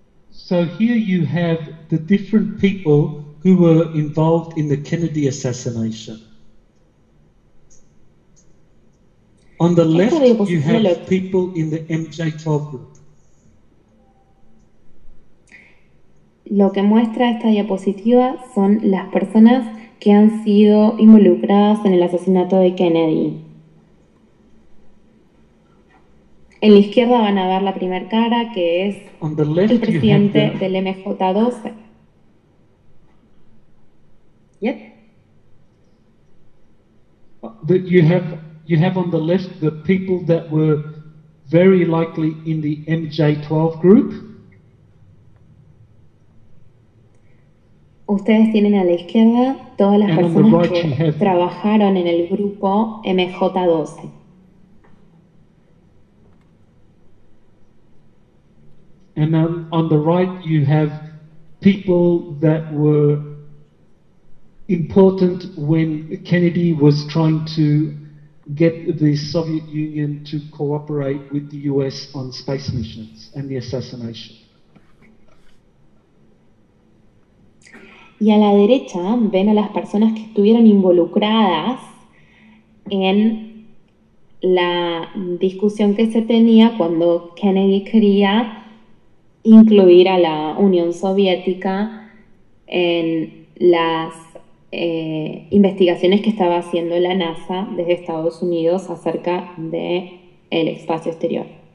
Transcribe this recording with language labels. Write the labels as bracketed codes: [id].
[en] So here you have the different people who were involved in the Kennedy assassination. On the left, you have people in the MJ-12 group. [es] Lo que muestra esta diapositiva son las personas que han sido involucradas en el asesinato de Kennedy. En la izquierda van a ver la primer cara, que es el presidente del MJ-12. [en] Yep. You have on the left the people that were very likely in the MJ-12 group. [es] Ustedes tienen a la izquierda todas las personas que trabajaron en el grupo MJ-12. [en] And then on the right, you have people that were important when Kennedy was trying to get the Soviet Union to cooperate with the US on space missions and the assassination. [es] Y a la derecha ven a las personas que estuvieron involucradas en la discusión que se tenía cuando Kennedy quería incluir a la Unión Soviética en las investigaciones que estaba haciendo la NASA desde Estados Unidos acerca del espacio exterior.